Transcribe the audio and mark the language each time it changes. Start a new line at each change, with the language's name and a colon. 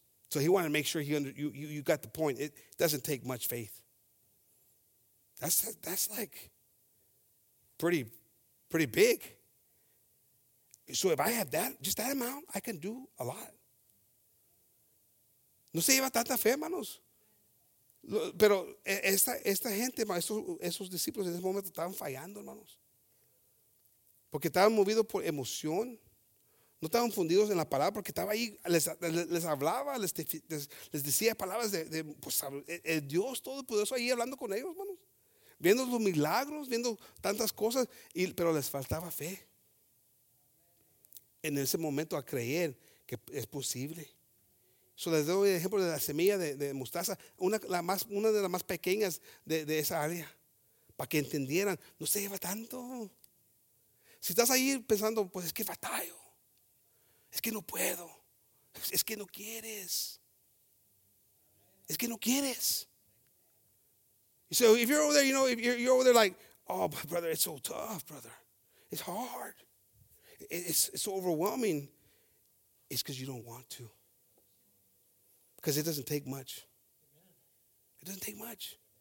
English: So he wanted to make sure you got the point. It doesn't take much faith. That's like pretty big. So if I have that, just that amount, I can do a lot.
Spanish: No se lleva tanta fe, hermanos. Pero esta gente, esos discípulos en ese momento estaban fallando, hermanos. Porque estaban movidos por emoción. No estaban fundidos en la palabra porque estaba ahí, les hablaba, les decía palabras de pues, el Dios Todopoderoso ahí hablando con ellos, hermanos. Viendo los milagros, viendo tantas cosas, pero les faltaba fe. En ese momento a creer que es posible. So les doy el ejemplo de la semilla de mostaza, una de las más pequeñas de esa área, para que entendieran, no se lleva tanto. Si estás ahí pensando, pues es que batallo, es que no puedo, es que no quieres, es que no quieres.
English: So if you're over there, you know, if you're over there like, oh, my brother, it's so tough, brother. It's hard. It's so overwhelming. It's because you don't want to. Because it doesn't take much. It doesn't take much.